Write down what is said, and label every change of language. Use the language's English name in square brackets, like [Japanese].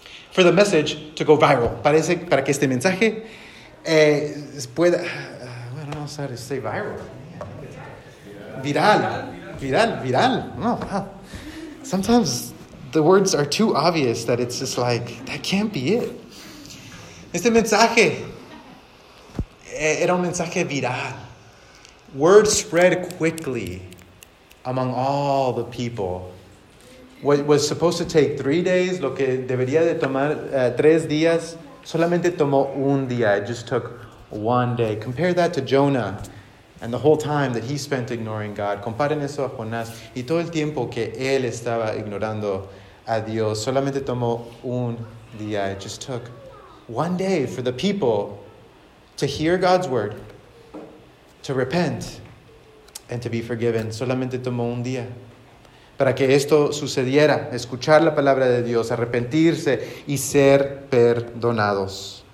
[English] For the message to go viral. [Spanish] Parece para que este mensaje pueda... [English] I don't know how to say viral. Viral. No, wow. Sometimes the words are too obvious that it's just like, that can't be it. [Spanish] Este mensaje era un mensaje viral. [English] Word spread quickly. among all the people. What was supposed to take 3 days, [Spanish] lo que debería de tomar 3 días, solamente tomó un día. [English] It just took 1 day. Compare that to Jonah and the whole time that he spent ignoring God. [Spanish] Comparen eso a Jonás y todo el tiempo que él estaba ignorando a Dios. Solamente tomó un día. [English] It just took 1 day for the people to hear God's word, to repent, and to be forgiven. [Spanish] Solamente tomó un día. Para que esto sucediera, escuchar la palabra de Dios, arrepentirse y ser perdonados.